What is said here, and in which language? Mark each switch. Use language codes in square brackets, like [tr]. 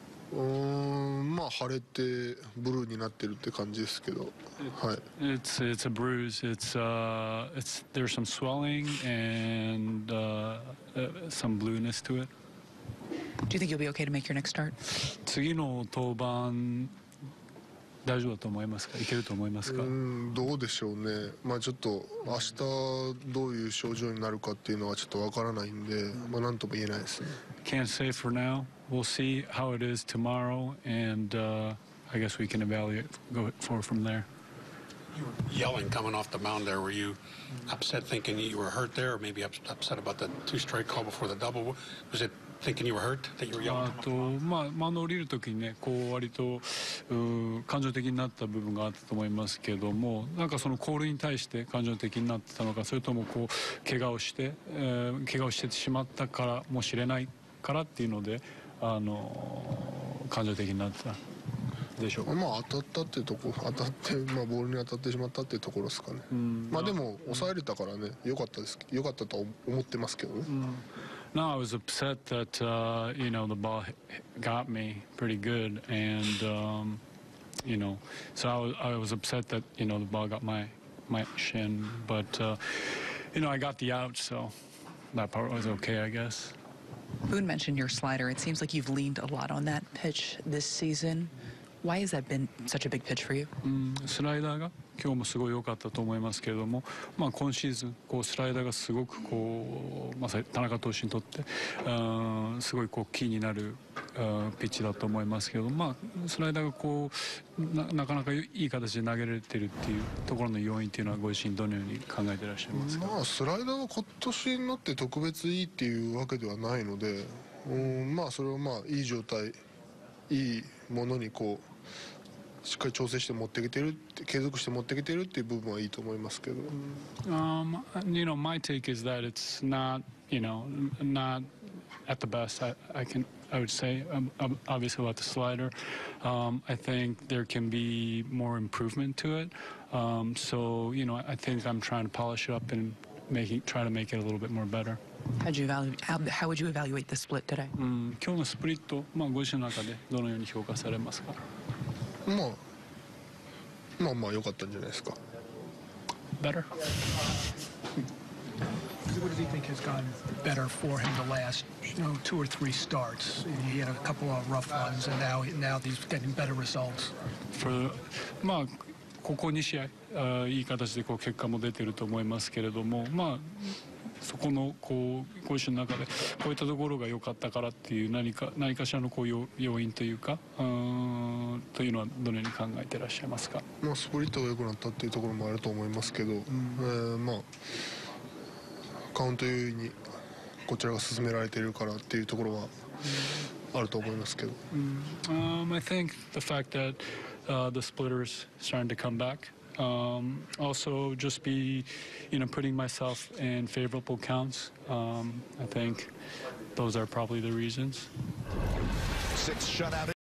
[ja] まあ腫れてブルーになってるって感じですけど、はい。 [en] It's a bruise. It's there's some swelling and some blueness to it. Do you think you'll be okay to make your next start? [ja] 次の登板大丈夫だと思いますか。いけると思いますか。どうでしょうね。まあちょっと明日どういう症状になるかっていうのはちょっとわからないんで、まあなんとも言えないですね。 [en] Can't say for now. We'll see how it is tomorrow, and I guess we can evaluate go forward from there. You were yelling coming off the mound there. Were you upset, thinking you were hurt there, or maybe upset about the two strike call before the double? Was it? Thinking you were hurt, that you were yelling. [ja] まあ、降りるときにね、こう割と感情的になった部分があったと思いますけども、なんかそのコールに対して感情的になってたのか、それともこう怪我をして、怪我をしてしまったからもしれないからっていうので、感情的になったでしょうか。まあ当たったっていうところ、当たって、まあボールに当たってしまったっていうところですかね。まあでも抑えれたからね、良かったです。良かったと思ってますけどね。 [en] No, I was upset that, you know, the ball got me pretty good. And, you know, so I was upset that, you know, the ball got my shin. But, you know, I got the out, so that part was okay, I guess. Boone mentioned your slider. It seems like you've leaned a lot on that pitch this season. Why has that been such a big pitch for you? [ja] スライダーが今日もすごい良かったと思いますけれども、まあ、今シーズンこうスライダーがすごくこう、まあ、田中投手にとってすごいこうキーになるピッチだと思いますけど、まあ、スライダーがこう なかなかいい形で投げられてるっていうところの要因っていうのはご自身どのように考えてらっしゃいますか？まあ、スライダーは今年になって特別いいっていうわけではないので、まあ、それはまあいい状態いいものにこうしっかり調整して持ってきてるって継続して持ってきてるっていう部分はいいと思いますけど。 [en] You know, my take is that it's not, you know, not at the best I would say obviously about the slider. I think there can be more improvement to it. So, you know, I think I'm trying to polish it up and try to make it a little bit more better. How would you evaluate the split today? [ja] 今日のスプリット、まあ、ご自身の中でどのように評価されますか？まあ、まあまあ良かったんじゃないですか。 [en] Better? What do you think has gone better for him the last, you know, two or three starts? He had a couple of rough ones and now he's getting better results. [ja] For, まあ、ここ2試合、いい形でこう結果も出てると思いますけれども、まあそこのこう今週の中でこういったところが良かったからっていう何かしらのこう要因というかというのはどのように考えていらっしゃいますか。まあスプリットが良くなったっていうところもあると思いますけど、まあカウント優位にこちらが進められているからっていうところはあると思いますけど。 [en] I think the fact that the splitter is starting to come back. Also, just be, you know, putting myself in favorable counts. I think those are probably the reasons. Six shutout.